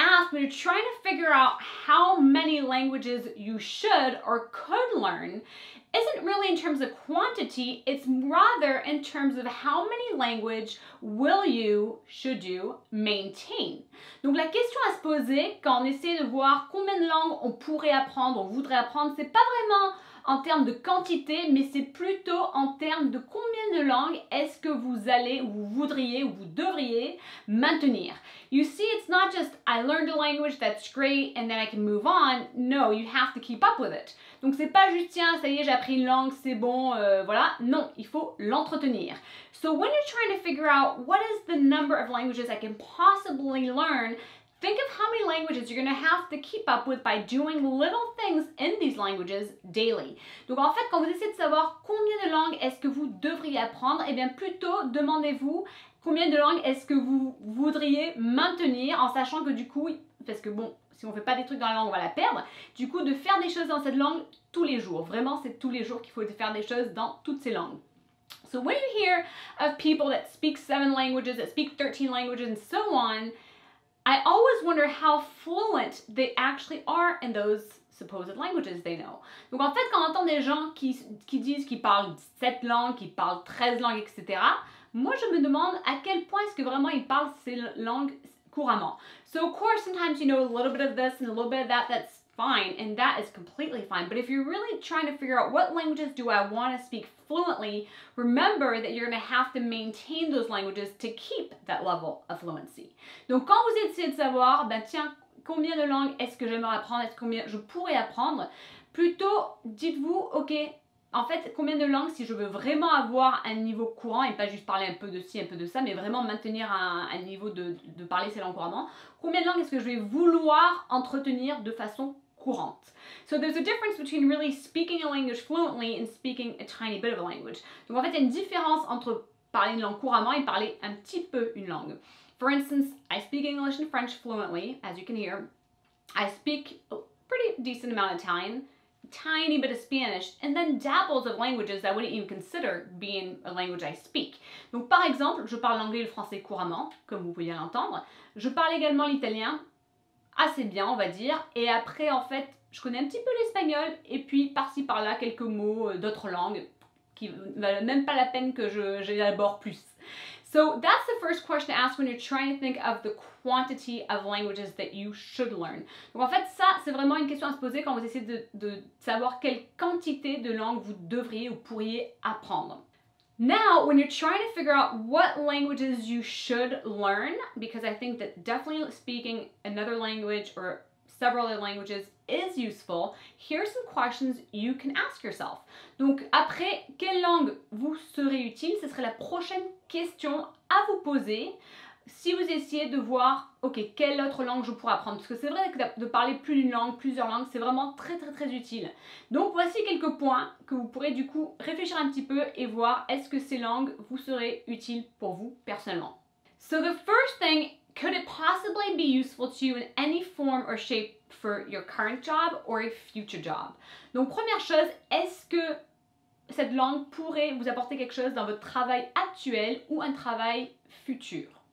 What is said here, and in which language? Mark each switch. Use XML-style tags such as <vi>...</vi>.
<en>When you're trying to figure out how many languages you should or could learn isn't really in terms of quantity, it's rather in terms of how many language will you, should you, maintain.</en> <fr>Donc la question à se poser quand on essaie de voir combien de langues on pourrait apprendre, on voudrait apprendre, c'est pas vraiment en termes de quantité, mais c'est plutôt en termes de combien de langues est-ce que vous allez, ou vous voudriez, ou vous devriez maintenir.</fr> <en>You see, it's not just I learned a language, that's great, and then I can move on. No, you have to keep up with it.</en> <fr>Donc c'est pas juste, tiens, ça y est, j'ai appris une langue, c'est bon, voilà. Non, il faut l'entretenir.</fr> <en>So when you're trying to figure out what is the number of languages I can possibly learn, think of how many languages you're going to have to keep up with by doing little things in these languages daily.</en> <fr>Donc en fait, quand vous essayez de savoir combien de langues est-ce que vous devriez apprendre, eh bien plutôt demandez-vous combien de langues est-ce que vous voudriez maintenir, en sachant que du coup, parce que bon, si on ne fait pas des trucs dans la langue, on va la perdre, du coup de faire des choses dans cette langue tous les jours. Vraiment, c'est tous les jours qu'il faut faire des choses dans toutes ces langues.</fr> <en>So when you hear of people that speak 7 languages, that speak 13 languages and so on, I always wonder how fluent they actually are in those supposed languages they know.</en> <fr>Donc en fait, quand on entend des gens qui disent qu'ils parlent 7 langues, qu'ils parlent 13 langues, etc., moi je me demande à quel point est-ce que vraiment ils parlent ces langues couramment.</fr> <en>So of course, sometimes you know a little bit of this and a little bit of that, that's fine, and that is completely fine. But if you're really trying to figure out what languages do I want to speak fluently, remember that you're going to have to maintain those languages to keep that level of fluency.</en> <fr>Donc quand vous essayez de savoir, ben tiens, combien de langues est-ce que j'aimerais apprendre, est-ce combien je pourrais apprendre, plutôt dites-vous, ok, en fait, combien de langues si je veux vraiment avoir un niveau courant, et pas juste parler un peu de ci, un peu de ça, mais vraiment maintenir un niveau de parler ces langues couramment, combien de langues est-ce que je vais vouloir entretenir de façon courante?</fr> <en>So there's a difference between really speaking a language fluently and speaking a tiny bit of a language.</en> <fr>Donc en fait, il y a une différence entre parler une langue couramment et parler un petit peu une langue.</fr> <en>For instance, I speak English and French fluently, as you can hear. I speak a pretty decent amount of Italian, tiny bit of Spanish, and then dabbles of languages I wouldn't even consider being a language I speak.</en> <fr>Donc par exemple, je parle l'anglais et le français couramment, comme vous pouvez l'entendre. Je parle également l'italien, assez bien on va dire, et après en fait, je connais un petit peu l'espagnol, et puis par-ci par-là quelques mots d'autres langues, qui ne valent même pas la peine que j'élabore plus.</fr> <en>So that's the first question to ask when you're trying to think of the quantity of languages that you should learn.</en> <fr>Donc en fait, ça, c'est vraiment une question à se poser quand vous essayez de savoir quelle quantité de langues vous devriez ou pourriez apprendre.</fr> <en>Now, when you're trying to figure out what languages you should learn, because I think that definitely speaking another language or several other languages is useful, here are some questions you can ask yourself.</en> <fr>Donc après, quelle langue vous serait utile? Ce serait la prochaine question à vous poser si vous essayez de voir, ok, quelle autre langue je pourrais apprendre? Parce que c'est vrai que de parler plus d'une langue, plusieurs langues, c'est vraiment très très très utile. Donc voici quelques points que vous pourrez du coup réfléchir un petit peu et voir est-ce que ces langues vous seraient utiles pour vous personnellement.</fr> <en>So the first thing, could it possibly be useful to you in any form or shape for your current job or a future job?</en> <fr>Donc première chose, est-ce que cette langue pourrait vous apporter quelque chose dans votre travail actuel ou un travail futur?</fr>